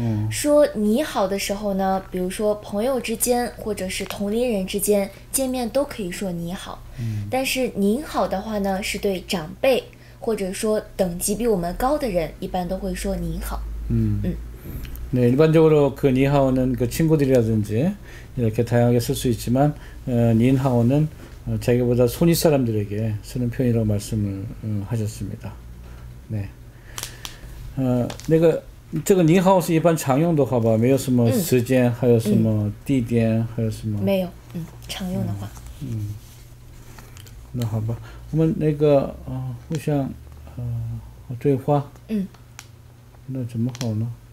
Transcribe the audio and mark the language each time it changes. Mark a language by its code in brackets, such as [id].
[zh] 说你好的时候呢，比如说朋友之间或者是同龄人之间见面都可以说你好，但是您好的话呢，是对长辈或者说等级比我们高的人，一般都会说您好。 [ko] 네, 일반적으로 그 니하오는 그 친구들이라든지 이렇게 다양하게 쓸수 있지만 닌하오는 자기보다 손윗 사람들에게 쓰는 표현이라고 말씀을 하셨습니다. 네. 내가 [zh] 这个你好是一般常用的话吧，没有什么时间，还有什么地点，还有什没有，常用的话。么，那好吧，我们那个互相对话，那怎么好呢？